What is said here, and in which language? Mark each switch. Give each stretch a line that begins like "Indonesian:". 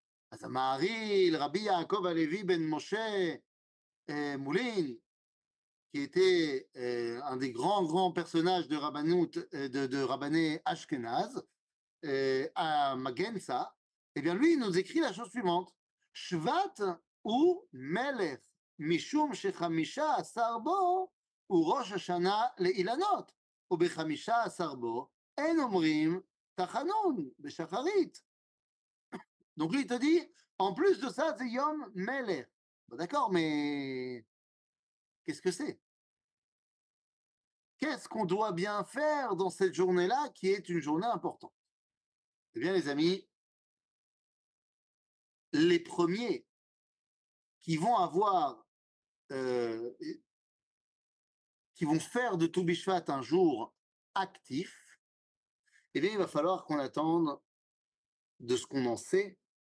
French: אז המעריל, רבי יעקב הלוי בן משה מולין, qui était un des grands, grands personnages de רבנות, de רבני אשכנז, à Magensa, eh bien, lui, il nous écrit la chose suivante.
Hebrew: שבט הוא מלך, משום שחמישה עשר בו, הוא ראש השנה לאילנות, ובחמישה עשר בו, אין אומרים תחנון בשחרית.
French: Donc, lui, il te dit, en plus de ça, c'est Yom Melech. Bon, d'accord, mais qu'est-ce que c'est ? Qu'est-ce qu'on doit bien faire dans cette journée-là qui est une journée importante ? Eh bien, les amis, les premiers qui vont avoir, qui vont faire de Tou Bichvat un jour actif, eh bien, il va falloir qu'on attende de ce qu'on en sait.